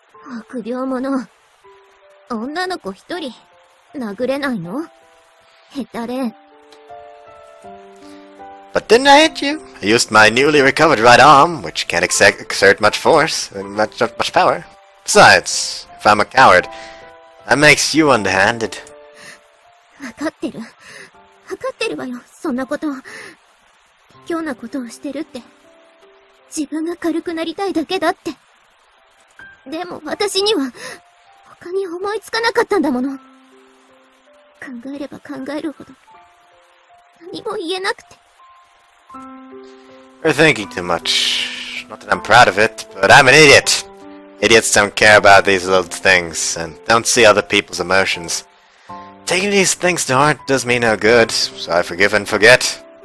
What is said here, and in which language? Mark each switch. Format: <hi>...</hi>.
<ja>Akubyomono. Onna no ko hitori, nagurenai no? Hetare.</ja> <en>But didn't I hit you? I used my newly recovered right arm, which can't exert much force, much power. Besides, if I'm a coward, that makes you underhanded.</en> <ja>わかってる。わかってるわよ。そんなことは。卑怯なことをしてるって。自分が軽くなりたいだけだって。でも私には他に思いつかなかったんだもの。考えれば考えるほど何も言えなくて。</ja> <en>You're thinking too much. Not that I'm proud of it, but I'm an idiot. Idiots don't care about these little things, and don't see other people's emotions. Taking these things to heart does me no good, so I forgive and forget.</en>